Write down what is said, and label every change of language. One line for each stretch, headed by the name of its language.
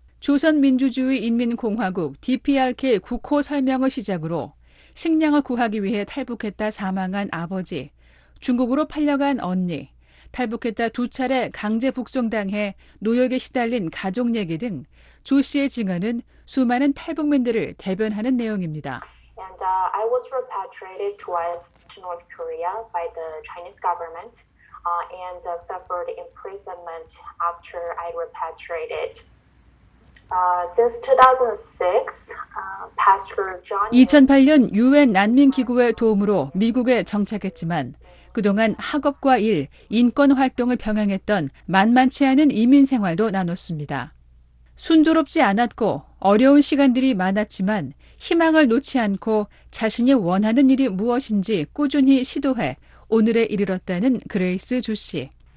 Korean: 조선민주주의인민공화국 DPRK 국호 설명을 시작으로 식량을 구하기 위해 탈북했다 사망한 아버지, 중국으로 팔려간 언니, 탈북했다 두 차례 강제 북송당해 노역에 시달린 가족 얘기 등 조 씨의 증언은 수많은 탈북민들을 대변하는 내용입니다.
English: And I was repatriated twice to North Korea by the Chinese government and suffered imprisonment after I repatriated. Since 2006, Pastor John
Korean: 2008년 UN 난민기구의 도움으로 미국에 정착했지만 그동안 학업과 일, 인권 활동을 병행했던 만만치 않은 이민 생활도 나눴습니다. 순조롭지 않았고 어려운 시간들이 많았지만 희망을 놓지 않고 자신이 원하는 일이 무엇인지 꾸준히 시도해 오늘에 이르렀다는 그레이스 조 씨.